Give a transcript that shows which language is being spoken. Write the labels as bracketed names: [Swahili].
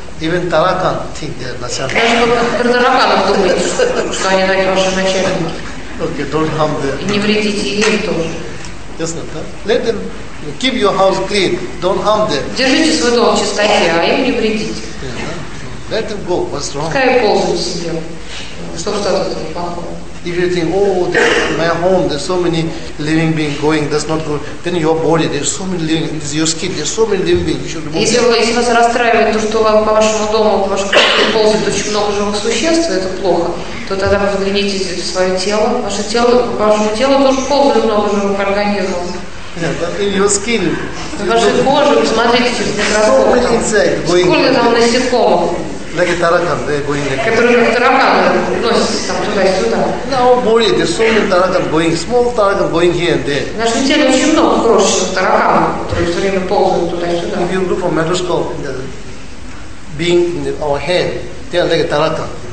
[English] Even таракан think they're начальник. [Russian] Даже про тараканов думаете, что они на них ваши начальники. [English] Okay, don't harm them. [Russian] И не вредите им тоже. Ясно, да? [English] Let them keep your house clean. Don't harm them. [Russian] Держите свой дом в чистоте, а им не вредите. [English] Yeah. Let them go. What's wrong? [Russian] Пускай ползают себе. Что-то [English] плохое. If you think, oh, there, my home, there's so many living beings going, that's not good. Then your body, there's so many living, this is your skin, there's so many living beings. [Russian] Если вас расстраивает то, что по вашему дому, по вашей комнате ползает очень много живых существ, это плохо. То тогда вы взгляните в свое тело. Ваше тело, ваше тело тоже ползает много живых организмов. [English] In your skin. [Russian] В вашей коже, посмотрите через микроскоп. Сколько там насекомых? [English] Like a tarakan, they're going there. [Russian] Которые как тараканы носятся там туда-сюда. [English] No, boy, there's so many tarakan going, small tarakan going here and there. [Russian] В нашем теле очень много крошечных тараканов, которые все время ползают туда-сюда. [English] If you look for microscope, the being in our hand, they are like a tarakan.